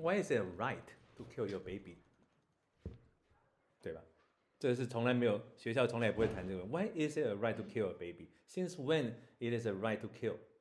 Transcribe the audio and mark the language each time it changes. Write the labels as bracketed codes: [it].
[en] Why is it a right to kill your baby？ [zh] 对吧？这是从来没有学校从来不会谈这个。 [en] Why is it a right to kill a baby？ Since when it is a right to kill？